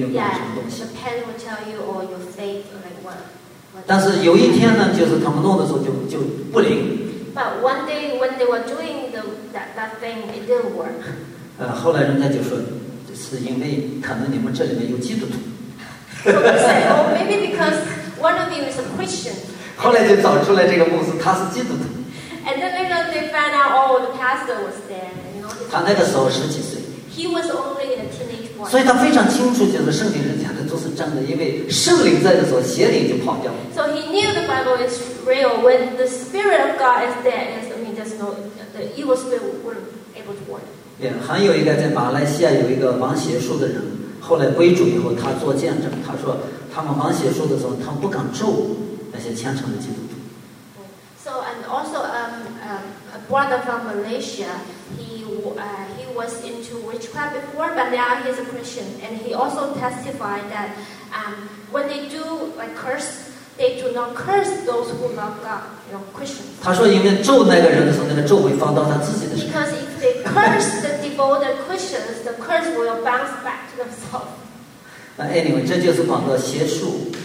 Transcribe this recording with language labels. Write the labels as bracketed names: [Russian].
[Chinese] 什么东西。 [English] Yeah, the pen will tell you or your fate or like what. [Chinese] 但是有一天呢，就是他们弄的时候就不灵。 [English] But one day when they were doing that thing, it didn't work. [Chinese] 后来人家就说，是因为可能你们这里面有基督徒。 [English] So they say, oh, maybe because one of you is a Christian. [Chinese] 后来就找出来这个牧师他是基督徒。 [English] And then later they found out, oh, the pastor was there. [Chinese] 他那个时候十几岁 [English] He was only a teenage boy. [Chinese] 所以他非常清楚就是圣经人讲的都是真的因为圣灵在的时候邪灵就跑掉了 [English] So he knew the Bible is real when the spirit of God is there I mean there's no the evil spirit weren't able to work [Chinese] yeah, 还有一个在马来西亚有一个玩邪术的人后来归主以后他做见证他说他们玩邪术的时候他们不敢咒那些虔诚的基督徒 [English] So and also a brother from MalaysiaHe was into witchcraft before, but now he is a Christian. And he also testified that when they do like curse, they do not curse those who love God, you know, Christians. [Chinese] 他说，因为咒那个人的时候，那个咒会放到他自己的身上。 [English] Because if they curse the devoted Christians, the curse will bounce back to themselves. [Chinese] Anyway, 这就是广告邪术。